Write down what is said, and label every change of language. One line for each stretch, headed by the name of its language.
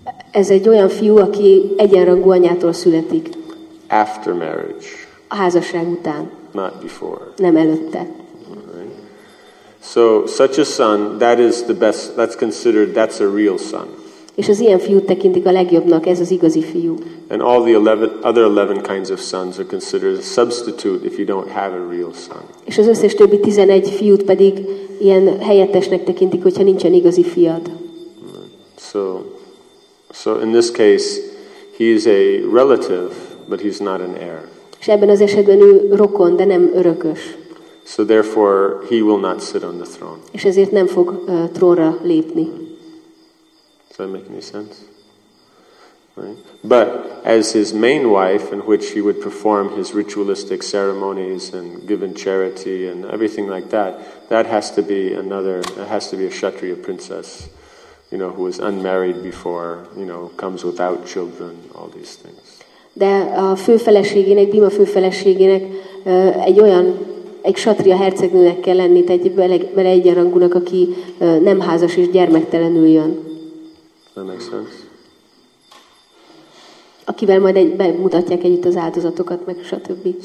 Hungarian: Ez egy olyan fiú, aki egyenrangú anyától születik.
English: After marriage.
Hungarian: A házasság után.
English: Not before.
Hungarian: Nem előtte.
English: So such a son, that is the best, that's considered, that's a real son.
Hungarian: És az ilyen fiút tekintik a legjobbnak, ez az igazi fiú.
English: And all the 11, other 11 kinds of sons are considered a substitute if you don't have a real son.
Hungarian: És az összes többi 11 fiút pedig ilyen helyettesnek tekintik, hogyha nincsen igazi fiad.
English: So in this case, he is a relative, but he's not an heir.
Hungarian: És ebben az esetben ő rokon, de nem örökös.
English: So therefore he will not sit on the throne.
Hungarian: És ezért nem fog trónra lépni.
English: Does that make any sense? Right. But as his main wife, in which he would perform his ritualistic ceremonies and given charity and everything like that, that has to be another. It has to be a Kshatriya princess, you know, who was unmarried before, you know, comes without children, all these things.
Hungarian: De a főfeleségének, Bhima főfeleségének egy olyan egy kshatriya hercegnőnek kell lenni, tehát egy bele egyenrangúnak, aki nem házas és gyermektelenül jön.
English: That makes sense.
Hungarian: Akivel majd egy, bemutatják együtt az áldozatokat, meg stb.